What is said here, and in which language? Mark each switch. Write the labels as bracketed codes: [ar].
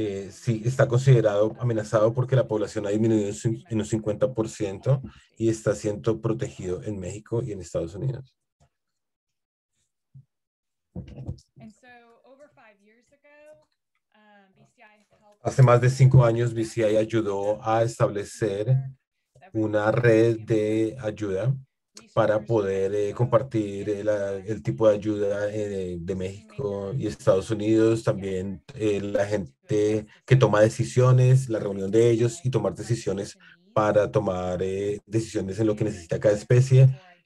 [es] Sí está considerado amenazado porque la población ha disminuido en un 50% y está siendo protegido en México y en Estados Unidos. [en] And so over 5 years ago, BCI helped. [es] Hace más de 5 años, BCI ayudó a establecer una red de ayuda para poder compartir el tipo de ayuda de México y Estados Unidos, también la gente que toma decisiones, la reunión de ellos y tomar decisiones para tomar decisiones en lo que necesita cada especie.